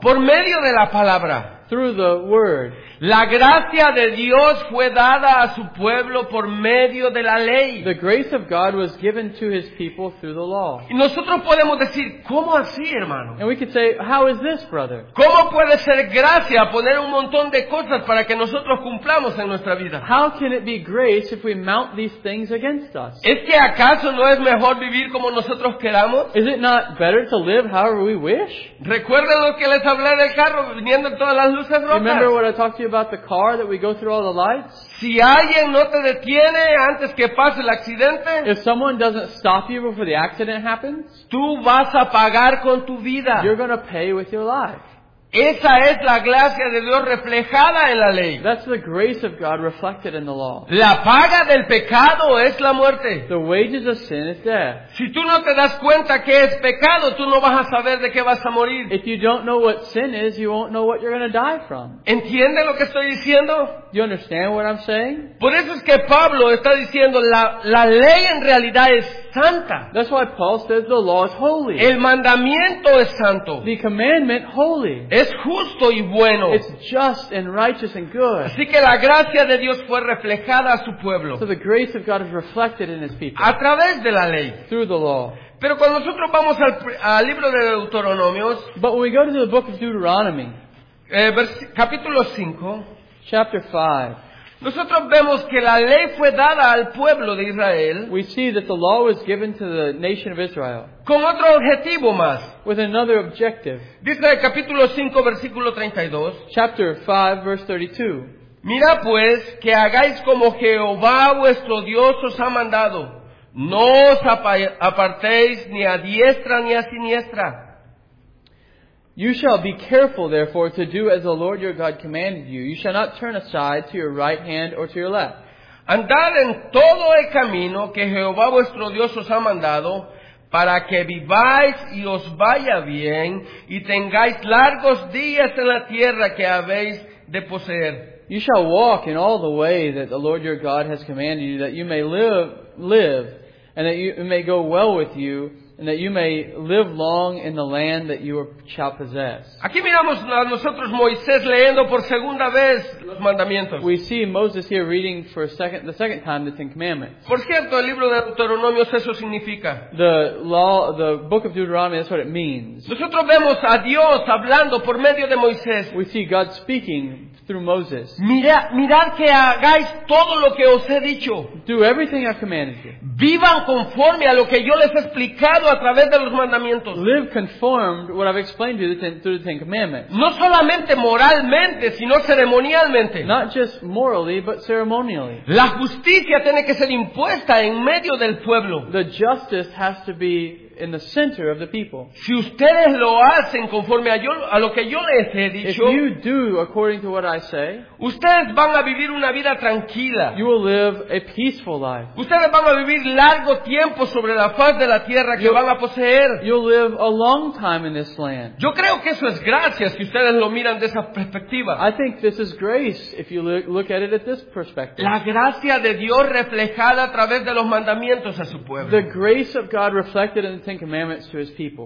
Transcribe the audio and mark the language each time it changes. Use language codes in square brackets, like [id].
[es] Por medio de la palabra. [en] Through the word. [es] La gracia de Dios fue dada a su pueblo por medio de la ley. [en] The grace of God was given to his people through the law. [es] Y nosotros podemos decir, ¿cómo así, hermano? [en] And we could say, how is this, brother? [es] ¿Cómo puede ser gracia poner un montón de cosas para que nosotros cumplamos en nuestra vida? [en] How can it be grace if we mount these things against us? [es] ¿Es que acaso no es mejor vivir como nosotros queramos? [en] Is it not better to live however we wish? [es] ¿Recuerda lo que les hablé del carro viniendo todas las luces rojas? [en] Remember what I talked to you about the car that we go through all the lights? [es] Si alguien no te detiene antes que pase el accidente, [en] if someone doesn't stop you before the accident happens, [es] tú vas a pagar con tu vida. [en] You're going to pay with your life. [es] Esa es la gracia de Dios reflejada en la ley. [en] That's the grace of God reflected in the law. [es] La paga del pecado es la muerte. [en] The wages of sin is death. [es] Si tú no te das cuenta que es pecado, tú no vas a saber de qué vas a morir. [en] If you don't know what sin is, you won't know what you're going to die from. [es] ¿Entiende lo que estoy diciendo? [en] You understand what I'm saying? [es] Por eso es que Pablo está diciendo la ley en realidad es santa. [en] That's why Paul says the law is holy. [es] El mandamiento es santo. [en] The commandment holy. [es] Es justo y bueno. [en] It's just and righteous and good. [es] Así que la gracia de Dios fue reflejada a su pueblo. [en] So the grace of God is reflected in his people. [es] A través de la ley. [en] Through the law. [es] Pero cuando nosotros vamos al libro de Deuteronomios, [en] but when we go to the book of Deuteronomy, [es] capítulo 5, [en] chapter 5, [es] nosotros vemos que la ley fue dada al pueblo de Israel. [en] We see that the law was given to the nation of Israel. [es] Con otro objetivo más. [en] With another objective. [es] Dice el capítulo 5, versículo 32. [en] Chapter 5, verse 32. [es] Mira pues que hagáis como Jehová vuestro Dios os ha mandado. No os apartéis ni a diestra ni a siniestra. [en] You shall be careful, therefore, to do as the Lord your God commanded you. You shall not turn aside to your right hand or to your left. [es] Andad en todo el camino que Jehová vuestro Dios os ha mandado, para que viváis y os vaya bien, y tengáis largos días en la tierra que habéis de poseer. [en] You shall walk in all the way that the Lord your God has commanded you, that you may live, and that it may go well with you, and that you may live long in the land that you shall possess. [es] Aquí miramos a nosotros Moisés leyendo por segunda vez los mandamientos. [en] We see Moses here reading for the second time the Ten Commandments. [es] Por cierto, el libro de Deuteronomio eso significa. [en] The law, the book of Deuteronomy, that's what it means. [es] Nosotros vemos a Dios hablando por medio de Moisés. [en] We see God speaking through Moses. [es] Mirad que hagáis todo lo que os he dicho. [en] Do everything I've commanded you. [es] Vivan conforme a lo que yo les he explicado a través de los mandamientos. [en] Live conformed what I've explained to you through the Ten Commandments. [es] No solamente moralmente, sino ceremonialmente. [en] Not just morally, but ceremonially. [es] La justicia tiene que ser impuesta en medio del pueblo. [en] The justice has to be in the center of the people. [es] Si ustedes lo hacen conforme a lo que yo les he dicho, [en] if you do according to what I say, [es] ustedes van a vivir una vida tranquila. [en] You will live a peaceful life. [es] Ustedes van a vivir largo tiempo sobre la faz de la tierra que van a poseer. [en] You'll live a long time in this land. [es] Yo creo que eso es gracia si ustedes lo miran de esa perspectiva. [en] I think this is grace if you look at it at this perspective. [es] La gracia de Dios reflejada a través de los mandamientos a su pueblo. [en] The grace of God reflected in the Ten Commandments to his people.